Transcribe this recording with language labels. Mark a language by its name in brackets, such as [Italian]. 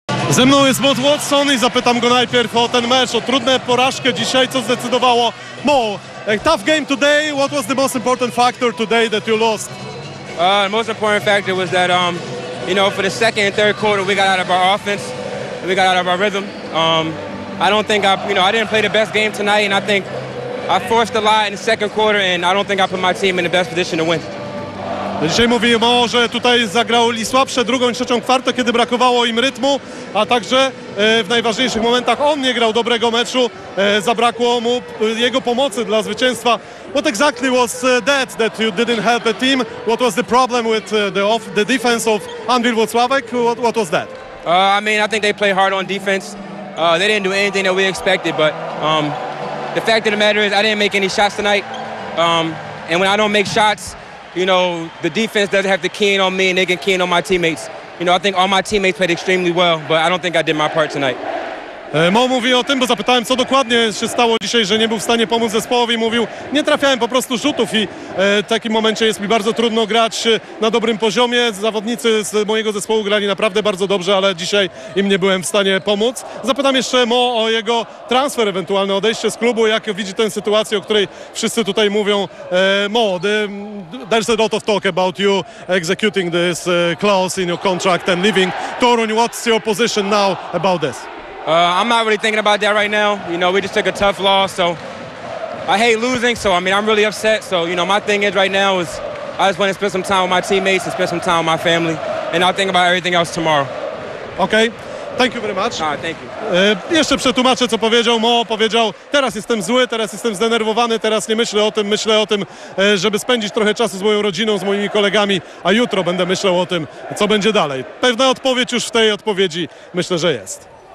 [Polish] Ze mną jest Matt Watson i zapytam go najpierw o ten mecz, o trudną porażkę dzisiaj, co zdecydowało. [English] Mo, tough game today. What was the most important factor today that you lost? The most important factor was that, you know, for the second and third quarter, we got out of our offense, and we got out of our rhythm. I don't think I didn't play the best game tonight, and I think I forced a lot in the second quarter, and I don't think I put my team in the best position to win. [Polish] Dzisiaj mówimy o, że tutaj zagrali słabsze drugą i trzecią kwartę, kiedy brakowało im rytmu, a także w najważniejszych momentach on nie grał dobrego meczu, zabrakło mu jego pomocy dla zwycięstwa. [English] What exactly was that you didn't help the team? What was the problem with the defense of Anvil Włocławek? What was that? I think they play hard on defense. They didn't do anything that we expected, but the fact of the matter is I didn't make any shots tonight. And when I don't make shots, you know, the defense doesn't have to key in on me and they can key in on my teammates. You know, I think all my teammates played extremely well, but I don't think I did my part tonight. [Polish] Mo mówi o tym, bo zapytałem, co dokładnie się stało dzisiaj, że nie był w stanie pomóc zespołowi. Mówił, nie trafiałem po prostu rzutów i w takim momencie jest mi bardzo trudno grać na dobrym poziomie. Zawodnicy z mojego zespołu grali naprawdę bardzo dobrze, ale dzisiaj im nie byłem w stanie pomóc. Zapytam jeszcze Mo o jego transfer, ewentualne odejście z klubu. Jak widzi tę sytuację, o której wszyscy tutaj mówią? [English] Mo, there's a lot of talk about you executing this clause in your contract and leaving Toruń. What's your position now about this? I'm not really thinking about that right now. You know, we just took a tough loss, so I hate losing, so I mean, I'm really upset. So, you know, my thing is right now is I just want to spend some time with my teammates and spend some time with my family, and I'll think about everything else tomorrow. Okay. Thank you very much. Thank you. [Polish] Jeszcze przetłumaczę, co powiedział Mo. Powiedział, teraz jestem zły, teraz jestem zdenerwowany, teraz nie myślę o tym, myślę o tym, żeby spędzić trochę czasu z moją rodziną, z moimi kolegami, a jutro będę myślał o tym, co będzie dalej. Pewna odpowiedź już w tej odpowiedzi myślę, że jest.